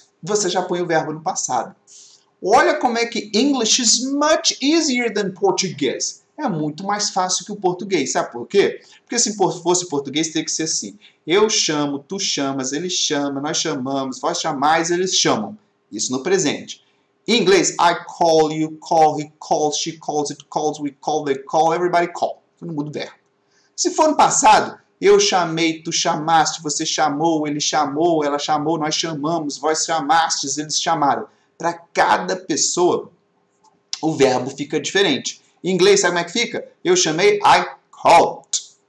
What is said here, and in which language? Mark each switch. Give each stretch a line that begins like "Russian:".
Portuguese: Você já põe o verbo no passado. Olha como é que
English: English is much easier than Portuguese.
Portuguese: É muito mais fácil que o português. Sabe por quê? Porque se fosse português, teria que ser assim. Eu chamo, tu chamas, ele chama, nós chamamos, vós chamais, eles chamam. Isso no presente. Em inglês,
English: I call you, call, he calls, she calls, it calls, we call, they call, everybody call.
Portuguese: Eu não mudo o verbo. Se for no passado, eu chamei, tu chamaste, você chamou, ele chamou, ela chamou, nós chamamos, vós chamastes, eles chamaram. Para cada pessoa, o verbo fica diferente. Em inglês, sabe como é que fica? Eu chamei,
English: I called.